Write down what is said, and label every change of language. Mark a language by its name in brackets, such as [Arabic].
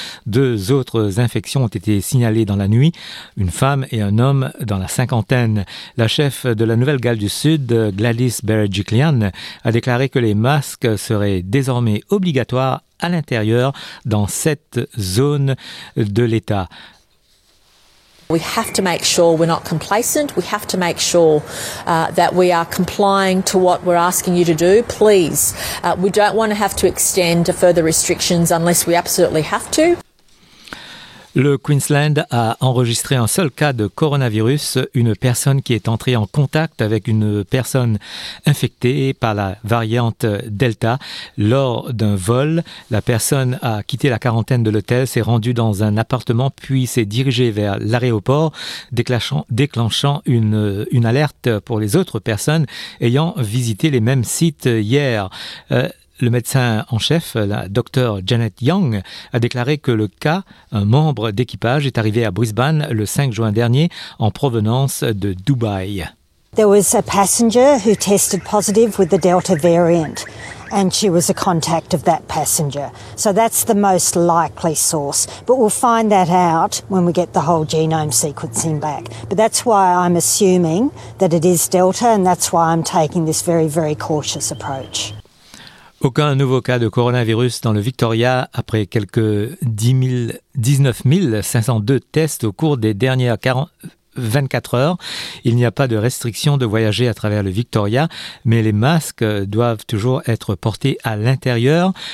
[French] 2 autres infections ont été signalées dans la nuit, une femme et un homme dans la cinquantaine. La chef de la Nouvelle-Galles du Sud, Gladys Berejiklian, a déclaré que les masques seraient désormais obligatoires à l'intérieur dans cette zone de l'État. [English] We have to make sure we're not complacent. We have to make sure that we are complying to what we're asking you to do. Please, we don't want to have to extend to further restrictions unless we absolutely have to. [French] Le Queensland a enregistré un seul cas de coronavirus, une personne qui est entrée en contact avec une personne infectée par la variante Delta lors d'un vol. La personne a quitté la quarantaine de l'hôtel, s'est rendue dans un appartement, puis s'est dirigée vers l'aéroport, déclenchant une alerte pour les autres personnes ayant visité les mêmes sites hier. Le médecin en chef, la docteure Janet Young, a déclaré que le cas, un membre d'équipage, est arrivé à Brisbane le 5 juin dernier en provenance de Dubaï. [English] There was a passenger who tested positive with the Delta variant and she was a contact of that passenger. So that's the most likely source, but we'll find that out when we get the whole genome sequencing back. But that's why I'm assuming that it is Delta and that's why I'm taking this very very cautious approach. [French] Aucun nouveau cas de coronavirus dans le Victoria après quelque 19 502 tests au cours des dernières 24 heures. Il n'y a pas de restriction de voyager à travers le Victoria, mais les masques doivent toujours être portés à l'intérieur.